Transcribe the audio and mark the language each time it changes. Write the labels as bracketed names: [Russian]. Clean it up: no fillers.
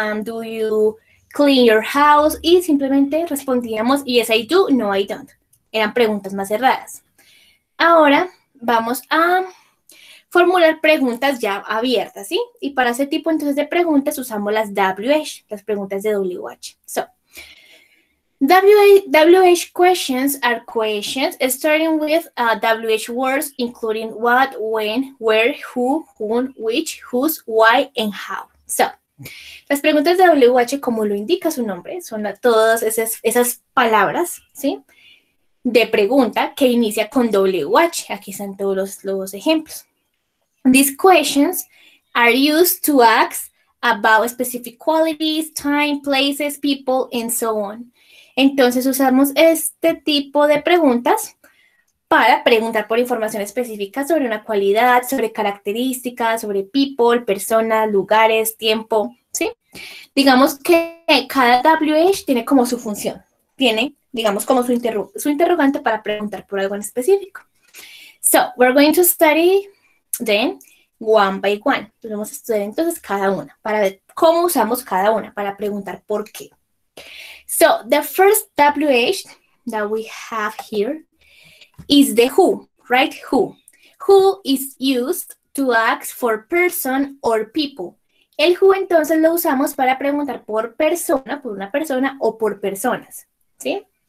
[English] Do you clean your house? [Spanish] Y simplemente respondíamos [English] yes, I do, no, I don't. [Spanish] Eran preguntas más cerradas. Ahora vamos a formular preguntas ya abiertas, ¿sí? Y para ese tipo entonces de preguntas usamos las WH, las preguntas de WH. [English] So, WH questions are questions starting with WH words, including what, when, where, who, whom, which, whose, why, and how. [Spanish] So, las preguntas de WH, como lo indica su nombre, son todas esas palabras, ¿sí? De pregunta que inicia con WH. Aquí están todos los ejemplos. [English] These questions are used to ask about specific qualities, time, places, people, and so on. [Spanish] Entonces usamos este tipo de preguntas para preguntar por información específica sobre una cualidad, sobre características, sobre people, personas, lugares, tiempo, ¿sí? Digamos que cada WH tiene como su función. Tiene, digamos, como su interrogante para preguntar por algo en específico. [English] So, we're going to study them one by one. [Spanish] Vamos a estudiar entonces cada una para ver cómo usamos cada una para preguntar por qué. [English] So, the first WH that we have here is the who, right? Who. Who is used to ask for person or people. [Spanish] El who entonces lo usamos para preguntar por persona, por una persona o por personas, ¿sí?